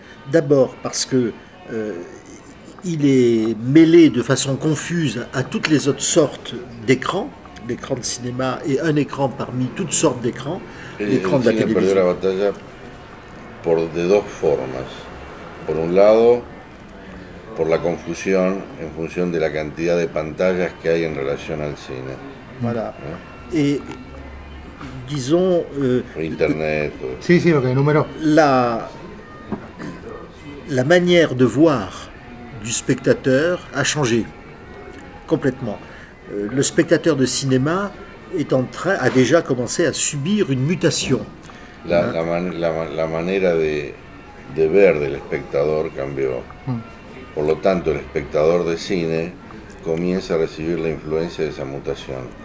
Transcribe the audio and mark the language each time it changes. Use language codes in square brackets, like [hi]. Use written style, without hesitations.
[fr] D'abord parce que il est mêlé de façon confuse à toutes les autres sortes d'écrans. L'écran de cinéma est un écran parmi toutes sortes d'écrans. L'écran de la télévision. Il a perdu la bataille pour de deux formes. [es] Por un lado, por la confusión en función de la cantidad de pantallas que hay en relación al cine. [fr] Voilà. Et disons Internet. [es] Sí, lo que numero. [fr] La manière de voir du spectateur a changé complètement. Le spectateur de cinéma a déjà commencé à subir une mutation. [es] La manera de ver del espectador cambió. Por lo tanto, el espectador de cine comienza a recibir la influencia de esa mutación.